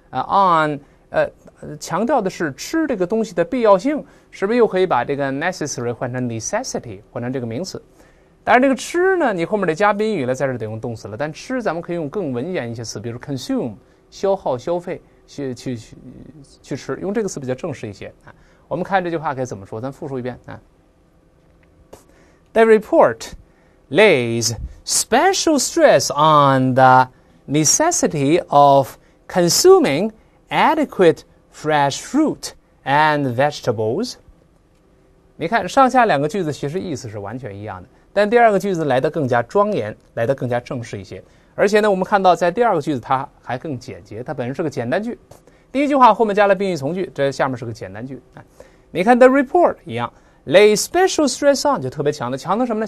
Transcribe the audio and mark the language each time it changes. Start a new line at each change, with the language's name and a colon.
Chinese: on 强调的是吃这个东西的必要性，是不是又可以把这个 necessary 换成 necessity， 换成这个名词。但是这个吃呢你后面得加宾语了，在这得用动词了，但吃咱们可以用更文言一些词，比如 consume 消耗消费 去吃，用这个词比较正式一些。我们看这句话该怎么说，咱复述一遍。
English: The report lays special stress on theNecessity of consuming adequate fresh fruit and vegetables。
Chinese: 你看上下两个句子其实意思是完全一样的，但第二个句子来得更加庄严，来得更加正式一些。而且呢我们看到在第二个句子它还更简洁，它本身是个简单句，第一句话后面加了宾语从句，这下面是个简单句。你看 the report 一样，
English: lay special stress on
Chinese: 就特别强的，强的什么呢？